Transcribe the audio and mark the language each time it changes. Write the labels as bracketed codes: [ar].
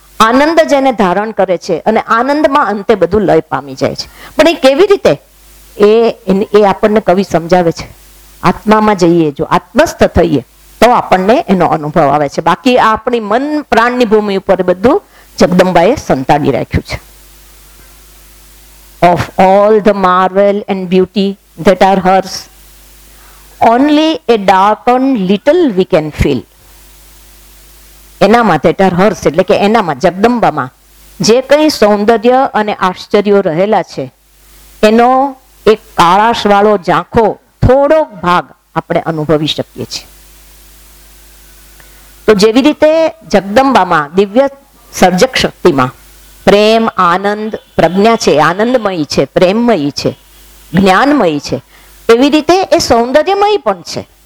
[gu] આનંદ જ એને ધારણ કરે છે અને આનંદમાં અંતે બધું લય પામી જાય છે. પણ એ કેવી રીતે, એ આપણને કવિ સમજાવે છે. આત્મામાં જઈએ, જો આત્મસ્થ થઈએ તો આપણને એનો અનુભવ આવે છે. બાકી આ આપણી મન પ્રાણની ભૂમિ ઉપર બધું જગદંબાએ સંતાડી રાખ્યું છે. [en] Of all the marvel and beauty that are hers, only a darkened little we can feel. [gu] એનામાં, [en] that are hers [gu] એટલે કે એનામાં, જગદંબામાં જે કંઈ સૌંદર્ય અને આશ્ચર્યો રહેલા છે એનો એક કાળાશ વાળો ઝાંખો થોડોક ભાગ આપણે અનુભવી શકીએ છીએ. તો જેવી રીતે જગદંબામાં, દિવ્ય સર્જક શક્તિમાં પ્રેમ, આનંદ, પ્રજ્ઞા છે, આનંદમય છે, પ્રેમમય છે, જ્ઞાનમય છે, એવી રીતે એ સૌંદર્યમય પણ છે.